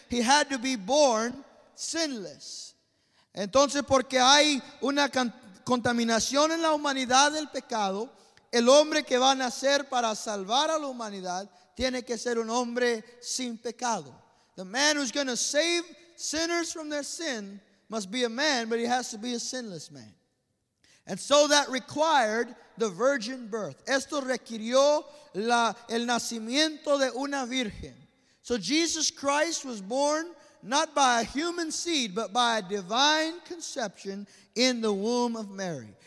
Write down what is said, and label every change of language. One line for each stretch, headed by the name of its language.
English: He had to be born sinless.
Spanish: Entonces, porque hay una contaminación en la humanidad del pecado, el hombre que va a nacer para salvar a la humanidad tiene que ser un hombre sin pecado.
English: The man who's going to save sinners from their sin must be a man, but he has to be a sinless man. And so that required the virgin birth.
Spanish: Esto requirió el nacimiento de una virgen.
English: So Jesus Christ was born not by a human seed, but by a divine conception in the womb of Mary.